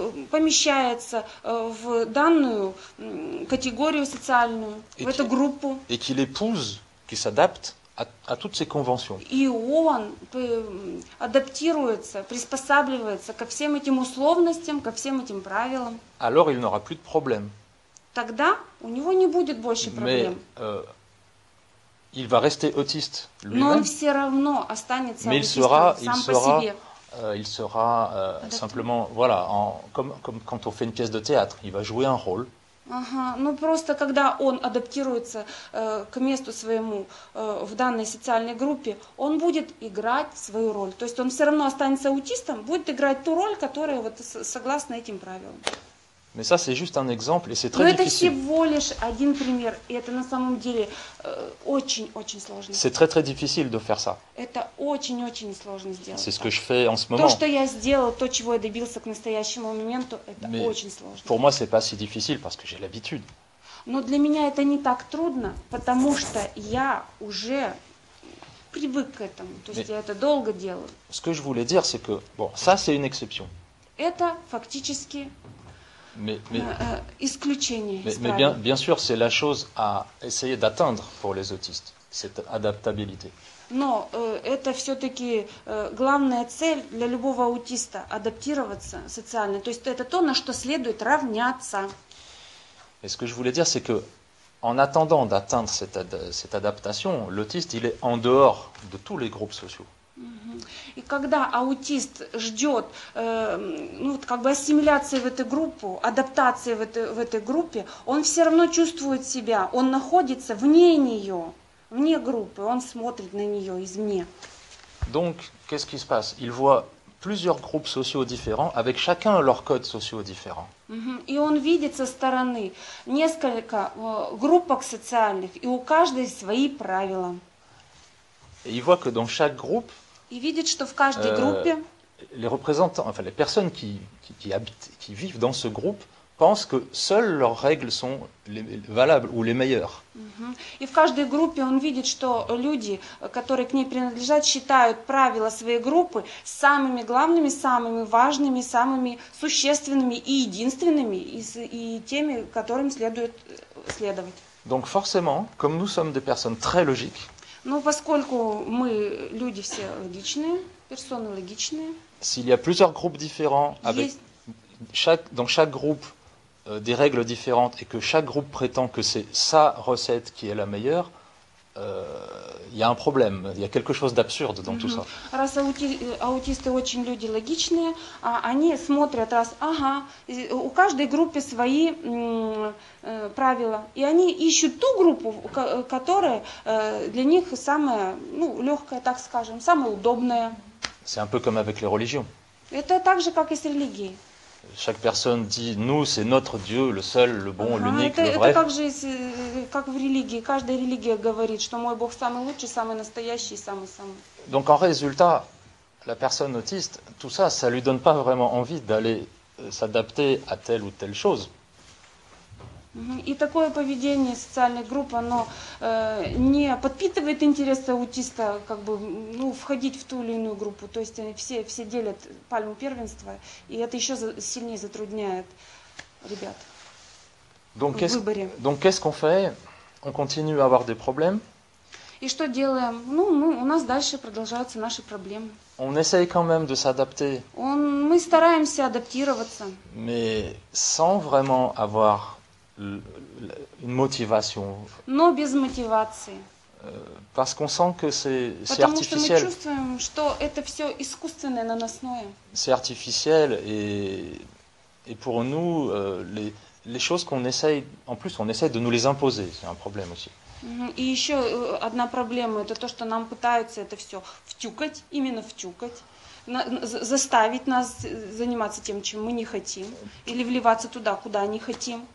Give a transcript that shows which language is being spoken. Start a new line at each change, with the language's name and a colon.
Russian: Помещается в данную категорию социальную, в эту группу.
French: Et qu'il épouse, qui s'adapte à toutes ces conventions.
Russian: И он адаптируется, приспосабливается ко всем этим условностям, ко всем этим правилам.
French: Alors il n'aura plus de problème.
Russian: Тогда у него не будет больше проблем.
French: Mais, il va rester autiste lui-même.
Russian: Но он все равно останется
French: autiste,
Russian: сам по себе.
French: il sera simplement, voilà, comme quand on fait une pièce de théâtre, il va jouer un rôle.
Russian: Ага, ну просто когда он адаптируется к месту своему в данной социальной группе, он будет играть свою роль. То есть он все равно останется аутистом, будет играть ту роль, которая вот согласно этим правилам.
French: Mais ça, c'est juste un exemple, et c'est très difficile.
Russian: Это всего лишь один пример, и это на самом деле очень-очень сложно.
French: C'est très très difficile de faire ça.
Russian: Это очень-очень сложно сделать.
French: C'est ce que je fais en ce moment.
Russian: То, что я сделал, то, чего я добился к настоящему моменту, это
French: Mais
Russian: очень сложно.
French: Pour moi, c'est pas si difficile, parce que j'ai l'habitude.
Russian: Но для меня это не так трудно, потому что я уже привык к этому. То есть
French: Mais
Russian: я это долго делаю.
French: Ce que je voulais dire, c'est que, bon, ça, c'est une exception.
Russian: Это фактически...
French: Mais bien sûr, c'est la chose à essayer d'atteindre pour les autistes, cette adaptabilité. Non,
Russian: это все-таки главная цель для любого аутиста – адаптироваться социально. То есть это то, на что следует равняться.
French: Et ce que je voulais dire, c'est que, en attendant d'atteindre cette adaptation, l'autiste, il est en dehors de tous les groupes sociaux.
Russian: И когда аутист ждет, ну вот как бы ассимиляции в эту группу, адаптации в этой группе, он все равно чувствует себя, он находится вне нее, вне группы, он смотрит на нее извне.
French: Donc, qu'est-ce qui se passe? Il voit plusieurs groupes sociaux différents, avec chacun leurs codes sociaux différents.
Russian: И он видит со стороны несколько группок социальных, и у каждой свои правила.
French: Et il voit que dans chaque groupe
Russian: И видит, что в каждой группе
French: les représentants, enfin les personnes qui habitent, qui vivent dans ce groupe pensent que seules leurs règles sont valables ou les meilleures.
Russian: И в каждой группе он видит, что люди, которые к ней принадлежат, считают правила своей группы самыми главными, самыми важными, самыми существенными и единственными и теми, которым следует следовать.
French: Donc forcément, comme nous sommes des personnes très logiques.
Russian: Ну, поскольку мы люди все логичные, персоны логичные.
French: S'il y a plusieurs groupes différents, avec dans chaque groupe des règles différentes, et que chaque groupe prétend que c'est sa recette qui est la meilleure, il y a un problème, il y a quelque chose d'absurde dans tout ça.
Russian: Раз аутисты очень люди логичные, они смотрят, раз, ага, у каждой группы свои правила, и они ищут ту группу, которая для них самая, ну, легкая, так скажем, самая удобная.
French: C'est un peu comme avec les religions.
Russian: Это так же, как и с религией.
French: Chaque personne dit, nous, c'est notre Dieu, le seul, le bon, l'unique, le vrai.
Russian: Это как же, как в религии. Каждая религия говорит, что мой Бог самый лучший, самый настоящий, самый-самый.
French: Donc, en résultat, la personne autiste, tout ça, ça lui donne pas vraiment envie d'aller s'adapter à telle ou telle chose.
Russian: И такое поведение социальной группы, оно не подпитывает интерес аутиста, как бы, ну, входить в ту или иную группу. То есть все делят пальму первенства, и это еще сильнее затрудняет ребят
French: donc,
Russian: в выборе.
French: Donc, qu'est-ce qu'on fait? On continue à avoir des problèmes?
Russian: И что делаем? Ну, мы, у нас дальше продолжаются наши проблемы.
French: On essaye quand même de s'adapter.
Russian: Мы стараемся адаптироваться.
French: Mais sans vraiment avoir... une motivation.
Russian: Но без мотивации.
French: Parce qu'on sent que c'est artificiel.
Russian: Потому что мы чувствуем, что это все искусственное, наносное.
French: C'est artificiel et pour nous les choses qu'on essaye, en plus on essaye de nous les imposer, c'est un problème aussi.
Russian: И еще одна проблема, это то, что нам пытаются это все втюкать, именно втюкать. Заставить нас заниматься тем, чем мы не хотим, или вливаться туда, куда не хотим.